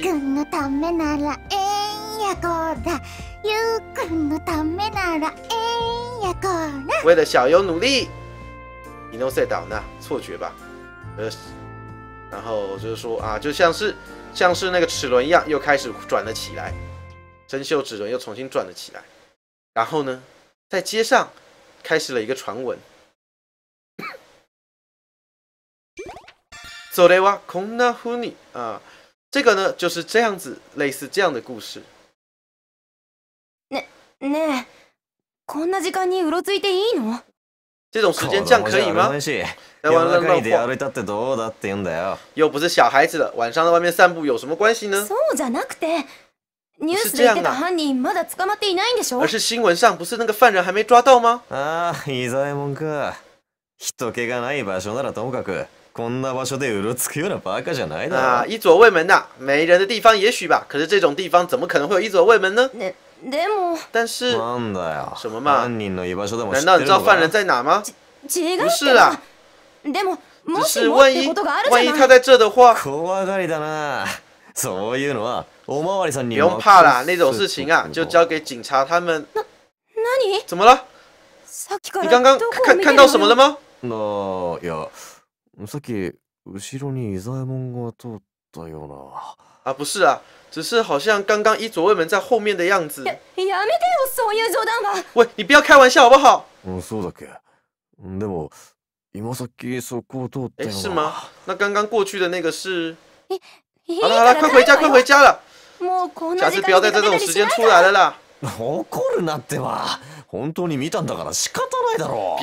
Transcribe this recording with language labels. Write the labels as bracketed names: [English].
[Japanese] ユウ君のためなら円やこだ、ユウ君のためなら円やこだ。 [Chinese] 为了小优努力。伊诺塞岛那错觉吧，然后就是说啊，就像是那个齿轮一样，又开始转了起来，生锈齿轮又重新转了起来。然后呢，在街上开始了一个传闻。 [Japanese] それはこんなふうに [Chinese] 啊，这个呢就是这样子，类似这样的故事。 [Japanese] ねえ、こんな時間にうろついていいの？ [Chinese] 这种时间这样可以吗？在外面乱晃， [Japanese] 歩いたってどうだって言うんだよ。 [Chinese] 又不是小孩子了，晚上在外面散步有什么关系呢？ [Japanese] そうじゃなくて、ニュースで言ってた犯人まだ捕まっていないんでしょ？ [Chinese] 而是新闻上不是那个犯人还没抓到吗？ [Japanese] 伊沢衛門か。人気がない場所ならともかく、こんな場所でうろつくようなバカじゃないだ。 [Chinese] 伊佐卫门呐、啊，没人的地方也许吧，可是这种地方怎么可能会有伊佐卫门呢？ [Japanese] でも、 [Chinese] 但是 [Japanese] なんだよ、 [Chinese] 什么嘛？ [Japanese] 犯人の居場所でも知ってる。 [Chinese] 难道你知道犯人在哪吗？不是啦。 [Japanese] でも、 [Chinese] 只是万一他在这的话。 [Japanese] 怖がりだな。そういうのはおまわりさんに。 [Chinese] 不用怕啦，那种事情啊，就交给警察他们。 [Japanese] 那何？ [Chinese] 怎么了？ [Japanese] さっきから [Chinese] 你刚刚看到什么了吗？ [Japanese] 那呀，さっき後ろに伊沢衛門が通ったような。 [Chinese] 啊，不是啊。只是好像刚刚伊佐卫门在后面的样子。 [Japanese] やめてよそういう冗談は。 [Chinese] 喂，你不要开玩笑好不好？ [Japanese] そうだけ。でも今さっきそこを通った [Chinese] の。是吗？那刚刚过去的那个是。好了好了，快回家快回家了。 [Japanese] もうこんな [Chinese] 下次不要再在这种时间出来了啦。 [Japanese] 怒るなっては。本当に見たんだから仕方ないだろう。